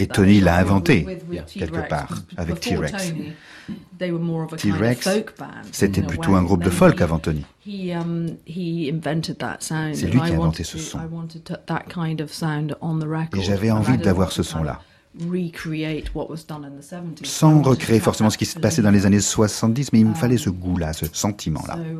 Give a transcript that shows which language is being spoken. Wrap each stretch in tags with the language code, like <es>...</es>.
<fr>Et Tony l'a inventé quelque part avec T-Rex. T-Rex, c'était plutôt un groupe de folk avant Tony.</fr> <en>He invented that sound.</en> <fr>C'est lui qui a inventé ce son.</fr> <en>I wanted that kind of sound on the record.</en> <fr>Et j'avais envie d'avoir ce son là.</fr> <en>Recreate what was done in the 70s.</en> <fr>Sans recréer forcément ce qui s'est passé dans les années 70, mais il me fallait ce goût-là, ce sentiment-là.</fr>